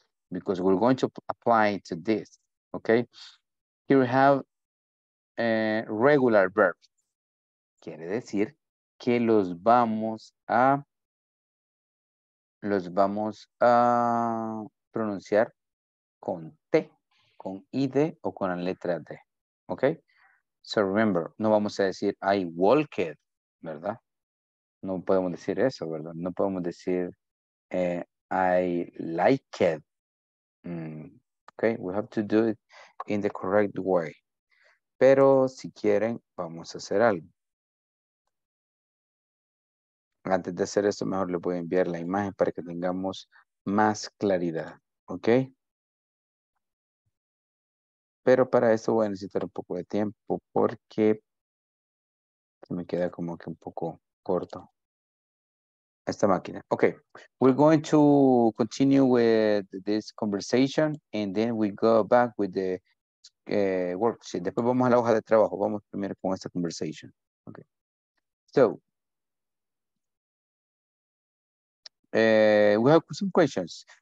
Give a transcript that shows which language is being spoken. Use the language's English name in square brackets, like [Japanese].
[English] Because we're going to apply to this, okay? Here we have a regular verb. [Spanish] Quiere decir que los vamos a pronunciar con T, con ID o con la letra D, okay? [English] So remember, [Spanish] no vamos a decir [English] I walked, [Spanish] ¿verdad? No podemos decir eso, ¿verdad? No podemos decir [English] I liked. Okay, we have to do it in the correct way. [Spanish] Pero si quieren, vamos a hacer algo. Antes de hacer esto, mejor les voy a enviar la imagen para que tengamos más claridad. Ok. Pero para esto voy a necesitar un poco de tiempo porque se me queda como que un poco corto esta máquina. [English] Okay, we're going to continue with this conversation and then we go back with the worksheet. [Spanish] Después vamos a la hoja de trabajo. Vamos primero con esta conversation. Okay. [English] So, we have some questions.